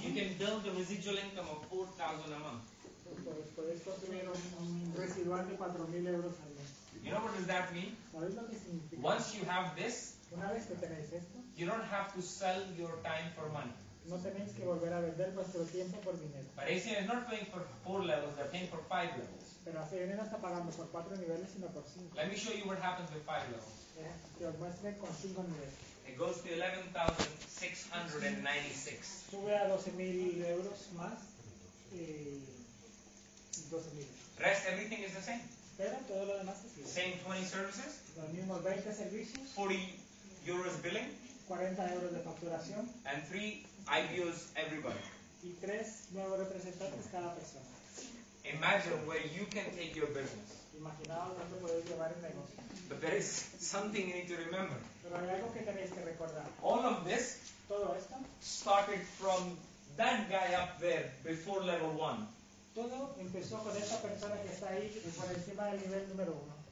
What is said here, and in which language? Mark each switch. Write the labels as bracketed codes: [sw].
[en] You can build the residual income of 4,000 a month. [es] Podéis construir un residual de 4,000 euros al mes. [en] You know what does that mean? [es] ¿Sabéis lo que significa? [en] Once you have this, [es] una vez que tenéis esto, [en] you don't have to sell your time for money. [es] No tenéis que volver a vender vuestro tiempo por dinero. Parece que no [en] paying for 4 levels, they're paying for 5 levels. [es] Pero así que no está pagando por 4 niveles, sino por 5. [en] Let me show you what happens with 5 levels. [es] Que os muestre con 5 niveles. [en] It goes to 11,696. [es] Sube a 12,000 euros más y 12,000. [en] Rest, everything is the same. [es] Pero todo lo demás es igual. [en] Same 20 services. [es] Los mismos 20 servicios. [en] 40 euros billing. [es] 40 euros de facturación. [en] And 3 IBOs everybody. [es] Y 3 nuevos representantes cada persona. [en] Imagine where you can take your business. [es] Imaginaos dónde podéis llevar el negocio. [en] But there is something you need to remember. [es] Pero hay algo que tenéis que recordar. [en] All of this, [es] todo esto, [en] started from that guy up there before level 1. [es] Todo empezó con esta persona que está ahí por encima del nivel número 1.